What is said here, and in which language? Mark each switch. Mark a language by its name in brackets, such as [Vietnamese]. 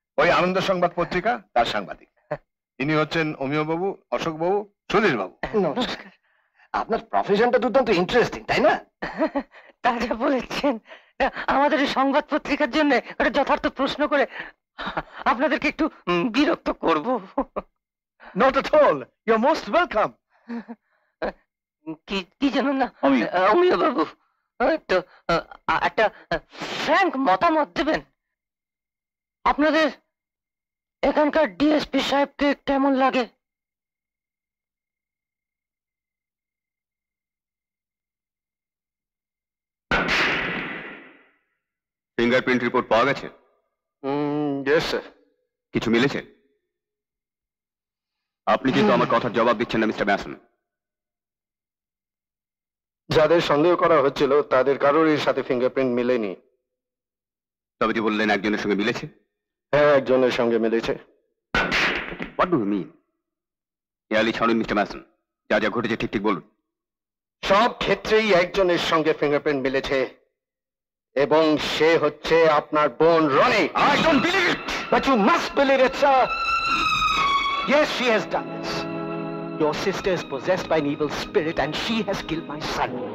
[Bangla] ওই আনন্দ সংবাদ পত্রিকা তার সাংবাদিক, ইনি হচ্ছেন অমিয় বাবু, অশোক বাবু, সুধীর বাবু। নমস্কার। আপনার প্রফেশনটা দুর্দান্ত ইন্টারেস্টিং, তাই না? তা যা বলেছেন, আমাদের সংবাদ পত্রিকার জন্য একটা যথার্থ প্রশ্ন করে আপনাদেরকে একটু বিরক্ত করব। [English] Not at all, you are most welcome. [Bangla] কি জানো না অমিয় বাবু, তো একটা ফ্র্যাঙ্ক মতামত দেবেন, আপনাদের এখানকার ডিএসপি সাহেবকে কেমন লাগে? ফিঙ্গারপ্রিন্ট রিপোর্ট পাওয়া গেছে? [English] Yes sir. [Bangla] কিছু মিলেছে? আপনি কিন্তু আমার কথার জবাব দিচ্ছেন না মিস্টার ম্যাসন। যাদের সন্দেহ করা হচ্ছিল তাদের কারোর এর সাথে ফিঙ্গারপ্রিন্ট মিলেনি। তবে কি বললেন একজনের সঙ্গে মিলেছে? হ্যাঁ, একজনের সঙ্গে মিলেছে। [English] What do you mean? [Bangla] এয়ালি ছাড়ুন মিস্টার ম্যাসন, যা যা ঘটেছে ঠিক ঠিক বলুন। সব ক্ষেত্রেই একজনের সঙ্গে ফিঙ্গারপ্রিন্ট মিলেছে, এবং সে হচ্ছে আপনার বোন Roni. [English] I don't believe it, but you must believe it, sir. Yes, she has done this. Your sister is possessed by an evil spirit and she has killed my son.